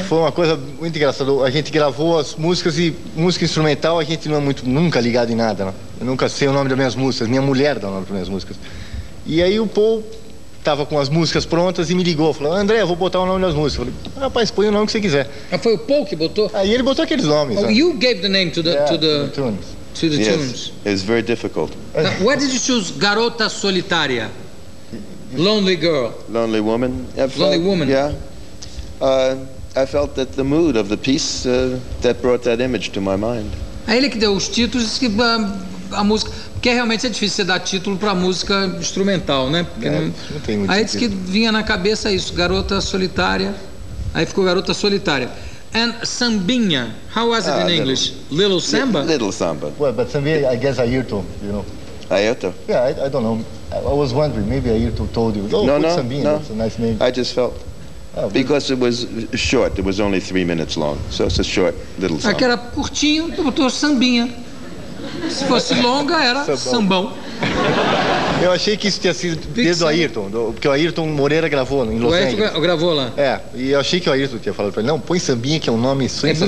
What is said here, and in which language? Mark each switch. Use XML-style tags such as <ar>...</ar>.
<pt>Foi uma coisa muito engraçada. A gente gravou as músicas e música instrumental a gente não é muito, nunca ligado em nada. Não. Eu nunca sei o nome das minhas músicas. Minha mulher dá o nome para minhas músicas. E aí o Paul estava com as músicas prontas e me ligou. Falou, André, eu vou botar o nome das músicas. Eu falei, rapaz, põe o nome que você quiser. Ah, foi o Paul que botou? Aí ele botou aqueles nomes.</pt> <en>Oh, you gave the name to the tunes. to the yes, tunes. It's very difficult. Now, why did you choose Garota Solitaria? Lonely girl. Lonely woman. Lonely woman. Yeah. I felt that the mood of the piece that brought that image to my mind.</en> <pt>É ele que deu os títulos e que a música, porque realmente é difícil você dar título para música instrumental, né? Porque não tem muito aí sentido. Diz que vinha na cabeça isso, Garota Solitária. Aí ficou Garota Solitária.</pt> <en>And Sambinha, how was it in English? Little Samba? Little Samba. Well, but Sambinha, I guess Ayrton, you know. Ayrton? Yeah, I don't know. I was wondering, maybe Ayrton told you. Oh, no, no, Sambinha, no. That's a nice name. I just felt, because it was short, it was only 3 minutes long. So it's a short little song.</en> <pt>Aqui era curtinho, eu botou Sambinha. Se fosse longa, era Sambão. Eu achei que isso tinha sido desde o Ayrton, porque o Ayrton Moreira gravou em Los Angeles. O Ayrton gravou lá. É, e eu achei que o Ayrton tinha falado para ele, não, põe Sambinha, que é um nome sensacional.</pt>